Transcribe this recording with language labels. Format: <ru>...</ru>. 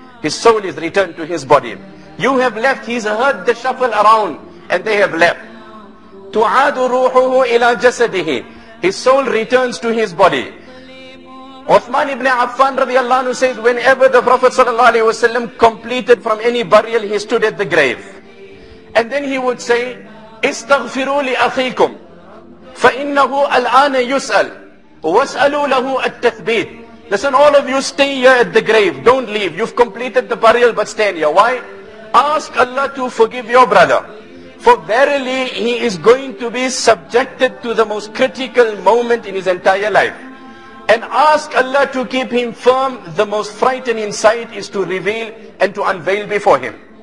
<en>His soul is returned to his body. You have left, he's heard the shuffle around, and they have left.</en> <ar>تُعَادُ رُوحُهُ إِلَى جَسَدِهِ.</ar> <en>His soul returns to his body. Uthman ibn Affan radiallahu anhu says, whenever the Prophet sallallahu alaihi wasallam completed from any burial, he stood at the grave. And then he would say,</en> <ar>استغفروا لأخيكم فإنه الآن يسأل واسألوا له التثبيت.</ar> <en>Listen, all of you stay here at the grave. Don't leave. You've completed the burial, but stay here. Why? Ask Allah to forgive your brother. For verily, he is going to be subjected to the most critical moment in his entire life. And ask Allah to keep him firm. The most frightening sight is to reveal and to unveil before him.</en>